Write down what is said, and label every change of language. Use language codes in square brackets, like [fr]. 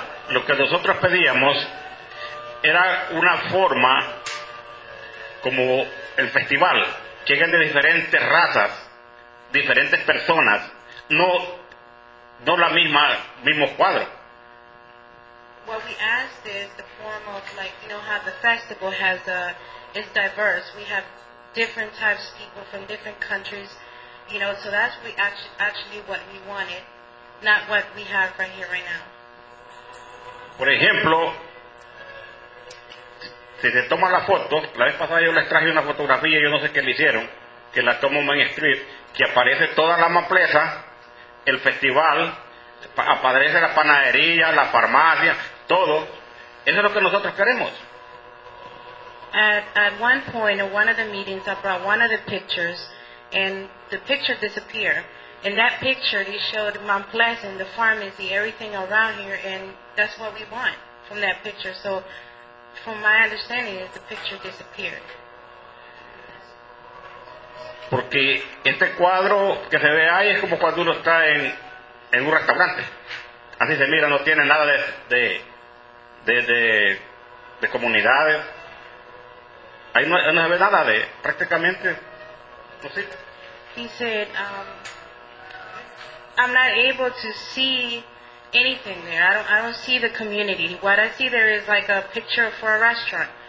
[es] Lo que nosotros pedíamos era una forma como el festival, que lleguen de diferentes razas, diferentes personas, no la misma, mismo cuadro. [en] What we asked is the form of, like, you know, how the festival has is diverse. We have different types of people from different countries, you know, so that's we actually what we wanted, not what we have right here right now. [es] Por ejemplo, si se toma la foto, la vez pasada yo les traje una fotografía, yo no sé qué le hicieron, que la tomó Main Street, que aparece toda la mampleza, el festival, aparece la panadería, la farmacia, todo. Eso es lo que nosotros queremos. [en] At one point, in one of the meetings, I brought one of the pictures, and the picture disappeared. In that picture, they showed Mount Pleasant, the pharmacy, everything around here, and that's what we want from that picture. So, from my understanding, the picture disappeared. [es] Porque este cuadro que se ve ahí es como cuando uno está en un restaurante. Así se mira, no tiene nada de comunidades. Ahí no se ve nada de, prácticamente, no sé. [en] He said, I'm not able to see anything there. I don't see the community. What I see there is like a picture for a restaurant.